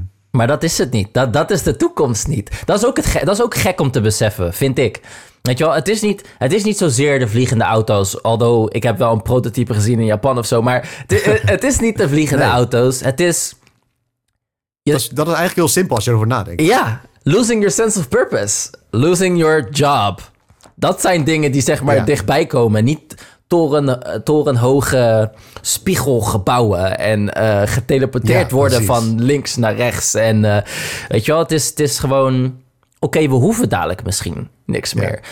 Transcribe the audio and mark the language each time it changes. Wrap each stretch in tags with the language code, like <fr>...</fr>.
<nl>Maar dat is het niet. Dat is de toekomst niet. Dat is ook gek om te beseffen, vind ik. Weet je wel, het is niet zozeer de vliegende auto's. Although ik heb wel een prototype gezien in Japan of zo. Maar het is niet de vliegende auto's. Het is... Dat is eigenlijk heel simpel als je erover nadenkt.</nl> <en>Ja, losing your sense of purpose. Losing your job.</en> <nl>Dat zijn dingen die zeg maar dichtbij komen. Niet torenhoge spiegelgebouwen en geteleporteerd worden van links naar rechts. En weet je wel, het is gewoon... Oké, we hoeven dadelijk misschien niks meer.</nl>